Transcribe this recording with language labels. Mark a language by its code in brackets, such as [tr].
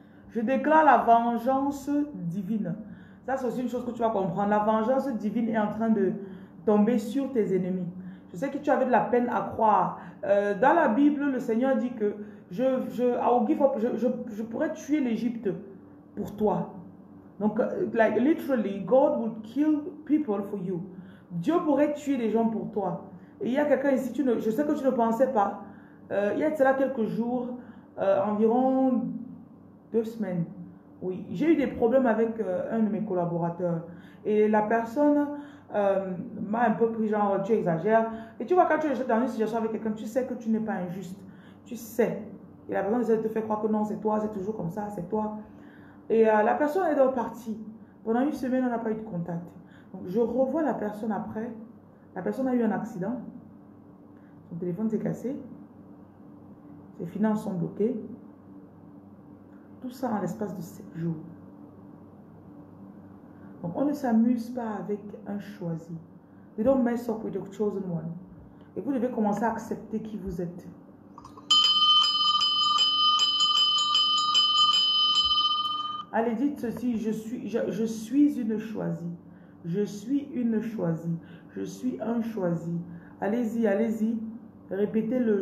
[fr] Je déclare la vengeance divine. Ça, c'est aussi une chose que tu vas comprendre. La vengeance divine est en train de tomber sur tes ennemis. Je sais que tu avais de la peine à croire. Dans la Bible, le Seigneur dit que je pourrais tuer l'Égypte pour toi. [en] Donc, like, literally, God would kill people for you. [fr] Dieu pourrait tuer des gens pour toi. Et il y a quelqu'un ici, je sais que tu ne pensais pas. Il y a cela quelques jours, environ 2 semaines. Oui, j'ai eu des problèmes avec un de mes collaborateurs. Et la personne... m'a un peu pris genre tu exagères et tu vois quand tu es dans une situation avec quelqu'un tu sais que tu n'es pas injuste, tu sais, et la personne essaie de te faire croire que non c'est toi, c'est toujours comme ça, c'est toi. Et la personne est donc partie pendant 1 semaine, on n'a pas eu de contact. Donc, je revois la personne après, la personne a eu un accident, son téléphone s'est cassé, ses finances sont bloquées, tout ça en l'espace de 7 jours. Donc, on ne s'amuse pas avec un choisi. [en] You don't mess up with your chosen one. [fr] Et vous devez commencer à accepter qui vous êtes. Allez, dites ceci. Je suis une choisie. Je suis une choisie. Je suis un choisi. Allez-y, allez-y. Répétez-le.